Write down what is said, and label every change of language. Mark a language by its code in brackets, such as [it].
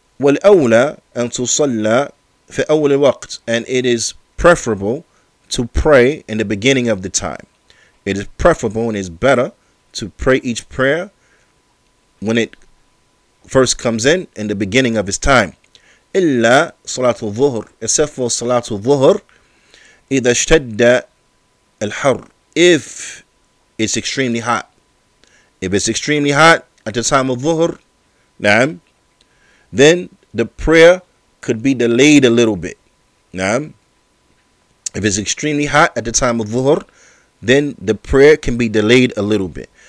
[ar] Wal awla an tusalla fi awwal waqt, [en] and it is preferable to pray in the beginning of the time. It is preferable and is better to pray each prayer when it first comes in the beginning of his time. [ar] إلا صلاة الظهر, [en] except for [ar] صلاة الظهر, إذا اشتد الحر, [en] if it's extremely hot. If it's extremely hot at the time of ظهر, نعم, then the prayer could be delayed a little bit. نعم, if it's extremely hot at the time of ظهر, then the prayer can be delayed a little bit.